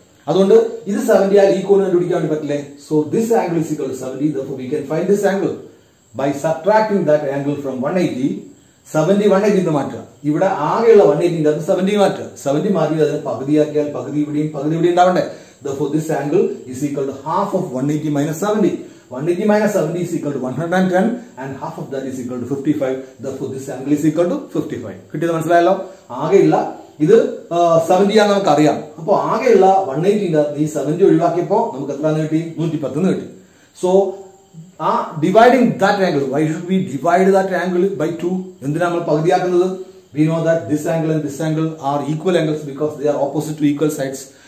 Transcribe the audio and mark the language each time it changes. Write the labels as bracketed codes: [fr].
[ml] അതുകൊണ്ട് ഇത് 70 ആയാൽ ഈ കോൺ കണ്ടുപിടിക്കാൻ പറ്റില്ലേ? [en] So this angle is equal to 70, therefore we can find this angle by subtracting that angle from 180. [ml] 70 180 എന്ന് മാറ്റുക, ഇവിടെ ആകെയുള്ള 180 അത് 70 മാറ്റുക. 70 മാറ്റി അത് പകുതിയാക്കിയാൽ പകുതി ഇവിടെയും പകുതി ഇവിടെയും ഉണ്ടാവണ്ടേ? [en] Therefore this angle is equal to half of 180 - 70. 180 - 70 is equal to 110 and half of that is equal to 55. Therefore, this angle is equal to 55. [ml] കിട്ടിയത് മനസ്സിലായല്ലോ? ആകെയുള്ള ഇത് 70 ആണെന്ന് നമുക്കറിയാം. അപ്പോൾ ആകെയുള്ള 180 ഈ 70 ഒഴിവാക്കിയപ്പോൾ നമുക്ക് എത്രയാണ് കിട്ടി? 110 എന്ന് കിട്ടി. [en] So uh dividing that angle, why should we divide that angle by 2? [ml] എന്തിനാണ് നമ്മൾ പകുതിയാക്കുന്നത്? [en] We know that this angle and this angle are equal angles because they are opposite to equal sides.